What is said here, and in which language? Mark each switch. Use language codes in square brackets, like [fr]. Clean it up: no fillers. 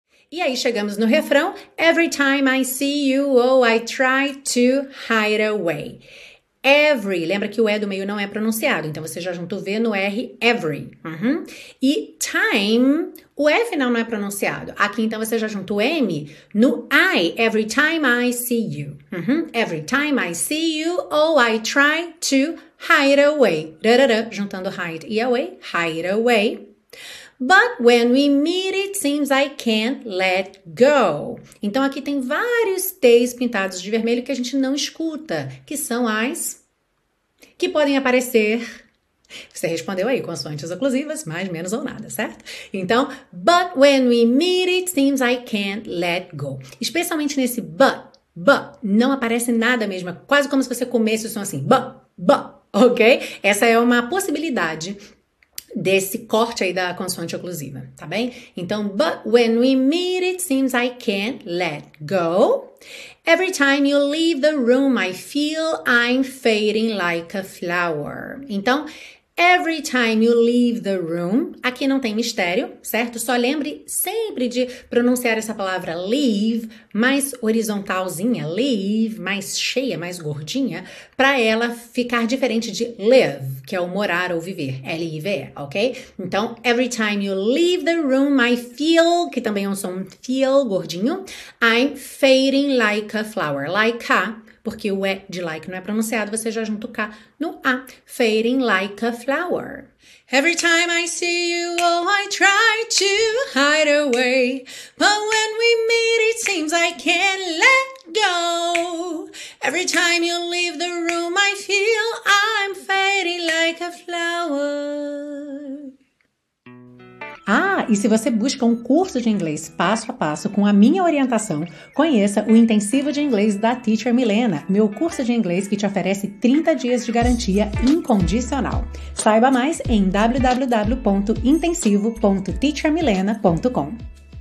[pt] E aí chegamos no refrão, [en] Every time I see you, oh, I try to hide away. [pt] Every, lembra que o E do meio não é pronunciado, então você já junta o V no R, every. Uhum. E time, o E final não é pronunciado. Aqui então você já junta o M no I, [en] every time I see you. Uhum. Every time I see you, oh, I try to hide away. [pt] Dadada, juntando [en] hide e away, hide away. But when we meet, it seems I can't let go. [pt] Então, aqui tem vários T's pintados de vermelho que a gente não escuta, que são as que podem aparecer. Você respondeu aí, consoantes oclusivas, mais, menos ou nada, certo? Então, [en] but when we meet, it seems I can't let go. [pt] Especialmente nesse but, não aparece nada mesmo. É quase como se você comesse o som assim, but, ok? Essa é uma possibilidade desse corte aí da consoante oclusiva, tá bem? Então, [en] but when we meet, it seems I can't let go. Every time you leave the room, I feel I'm fading like a flower. [pt] Então, [en] every time you leave the room, [pt] aqui não tem mistério, certo? Só lembre sempre de pronunciar essa palavra leave mais horizontalzinha, leave mais cheia, mais gordinha, para ela ficar diferente de live, que é o morar ou viver, L-I-V-E, ok? Então, [en] every time you leave the room, I feel, [pt] que também é um som feel gordinho, [en] I'm fading like a flower, like a, [pt] porque o E de like não é pronunciado, você já junta o K no A. [en] Fading like a flower. Every time I see you, oh, I try to hide away. But when we meet, it seems I can't let go. Every time you leave the room, I feel I'm fading like a flower. [pt] Ah, e se você busca um curso de inglês passo a passo com a minha orientação, conheça o Intensivo de Inglês da Teacher Milena, meu curso de inglês que te oferece 30 dias de garantia incondicional. Saiba mais em www.intensivo.teachermilena.com.